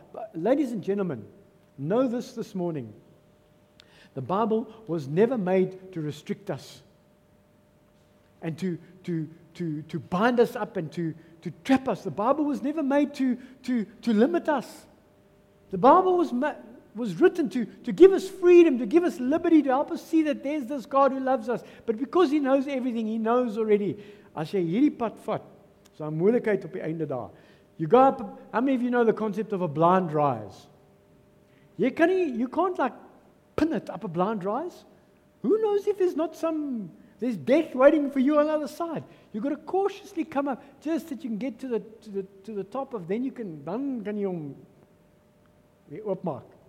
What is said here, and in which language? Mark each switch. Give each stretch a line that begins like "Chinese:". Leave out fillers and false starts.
English: But ladies and gentlemen, know this morning. The Bible was never made to restrict us and to bind us up and to trap us. The Bible was never made to limit us. The Bible was written to give us freedom, to give us liberty, to help us see that there's this God who loves us. But because he knows everything, he knows already.
Afrikaans: As jy hierdie pad vat, so 'n moeilikheid op die einde daar.
English: You go up, how many of you know the concept of a blind rise? You can't like pin it up a blind rise. Who knows if there's death waiting for you on the other side. You've got to cautiously come up just that you can get to the top of, then you can oopmaak.